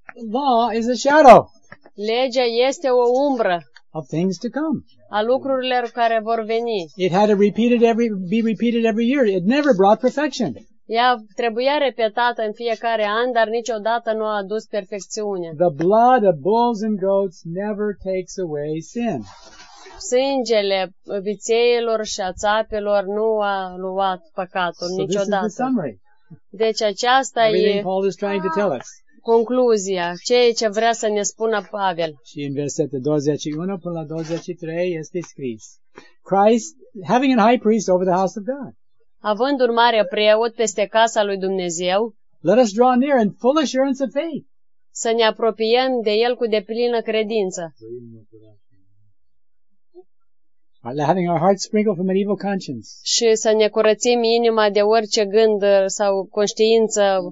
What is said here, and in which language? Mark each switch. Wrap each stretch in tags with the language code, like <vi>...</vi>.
<en>Law is a shadow.</en> <ro>Legea este o umbră.</ro> <en>Of things to come.</en> <ro>A lucrurilor care vor veni.</ro> <en>It had to be repeated every year. It never brought perfection.</en> <ro>Ea trebuia repetată în fiecare an, dar niciodată nu a adus perfecțiune.</ro> <en>The blood of bulls and goats never takes away sin.</en> <ro>Sângele vițeilor și a țapelor nu a luat păcatul niciodată.</ro> <en>So this is the summary.</en> <ro>Deci aceasta</ro> <en>everything e Paul is trying to tell us.</en> <ro>Concluzia, ceea ce vrea să ne spună Pavel. Și în versetul 21 până la 23 este scris.</ro> <en>Christ having a high priest over the house of God.</en> <ro>Având un mare preot peste casa lui Dumnezeu,</ro> <en>let us draw near in full assurance of faith.</en> <ro>Să ne apropiem de el cu deplină credință.</ro> <en>Having our hearts sprinkled from an evil conscience.</en> <ro>Și să ne curățim inima de orice gând sau conștiință</ro>